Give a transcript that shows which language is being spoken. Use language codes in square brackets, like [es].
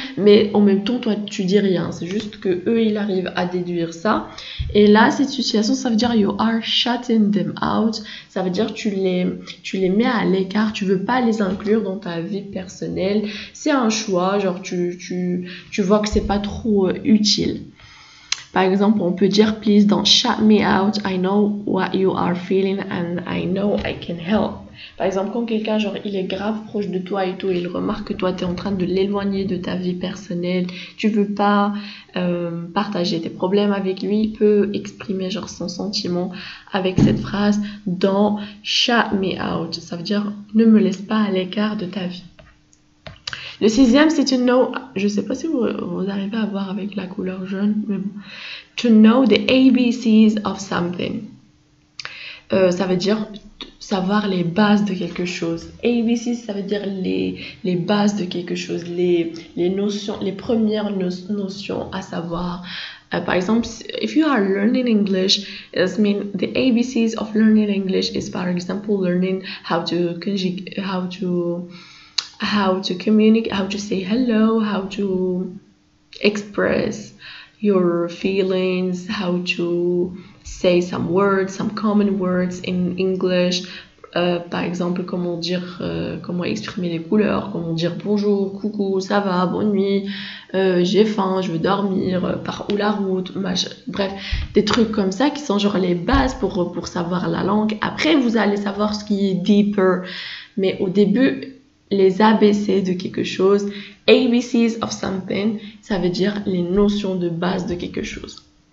[fr] Mais en même temps, toi, tu dis rien. C'est juste que eux, ils arrivent à déduire ça. Et là, cette situation, ça veut dire [en] you are shutting them out. [fr] Ça veut dire tu les mets à l'écart. Tu veux pas les inclure dans ta vie personnelle. C'est un choix. Genre, tu vois que c'est pas trop utile. Par exemple, on peut dire [en] please don't shut me out. I know what you are feeling and I know I can help. [fr] Par exemple, quand quelqu'un, genre, il est grave proche de toi et tout, et il remarque que toi, tu es en train de l'éloigner de ta vie personnelle, tu veux pas partager tes problèmes avec lui, il peut exprimer, genre, son sentiment avec cette phrase « [en] Don't shut me out [fr] », ça veut dire « Ne me laisse pas à l'écart de ta vie ». Le sixième, c'est « know », je sais pas si vous arrivez à voir avec la couleur jaune, mais bon, « [en] to know the ABCs of something [fr] », ça veut dire « savoir les bases de quelque chose. ABC, ça veut dire les bases de quelque chose, les notions, les premières notions à savoir. Par exemple, [en] if you are learning English, it means the ABCs of learning English is, for example, learning how to communicate, how to say hello, how to express your feelings, how to say some words, some common words in English. [fr] Par exemple, comment dire, comment exprimer les couleurs, comment dire bonjour, coucou, ça va, bonne nuit, j'ai faim, je veux dormir, par où la route, bref, des trucs comme ça qui sont genre les bases pour savoir la langue. Après, vous allez savoir ce qui est deeper, mais au début, les ABC de quelque chose, [en] ABCs of something, [fr] ça veut dire les notions de base de quelque chose.